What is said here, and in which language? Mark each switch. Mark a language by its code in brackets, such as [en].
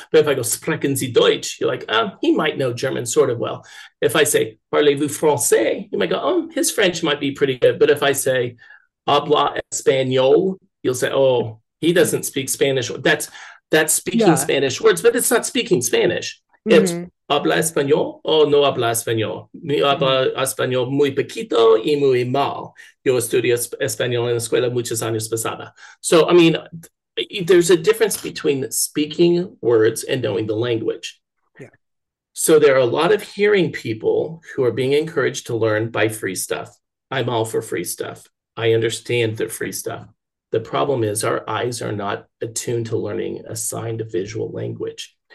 [en] But if I go, [de] sprechen Sie Deutsch, [en] you're like, oh, he might know German sort of well. If I say, [fr] parlez-vous français, [en] you might go, oh, his French might be pretty good. But if I say, [es] habla español, [en] you'll say, oh, he doesn't speak Spanish. That's speaking Spanish words, but it's not speaking Spanish. [es] Mm-hmm. [en] It's [es] habla español, oh, no habla español. Me habla español muy poquito y muy mal. Yo estudio español en la escuela muchos años pasada. [en] So, I mean, there's a difference between speaking words and knowing the language. Yeah. So there are a lot of hearing people who are being encouraged to learn by free stuff. I'm all for free stuff. I understand the free stuff. The problem is our eyes are not attuned to learning a signed visual language.